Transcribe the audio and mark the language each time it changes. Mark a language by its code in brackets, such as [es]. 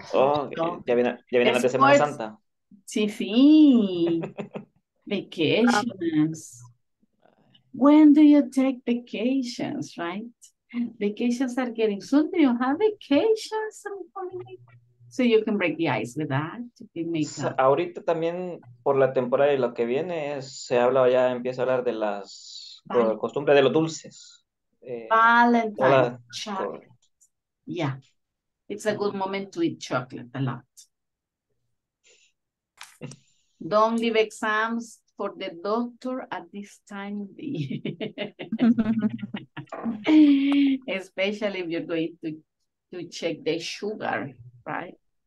[es] Oh, ya viene la Semana Santa. Sí, sí. Vacations. [en] When do you take vacations, right? Vacations are getting soon. Do you have vacations? So you can break the ice with that. [es] Ahorita también, por la temporada y lo que viene, se habla, ya empieza a hablar de las costumbres de los dulces. [en] Valentine's chocolate. Yeah. It's a good moment to eat chocolate a lot. Don't leave exams for the doctor at this time of the year. Especially if you're going to check the sugar, right?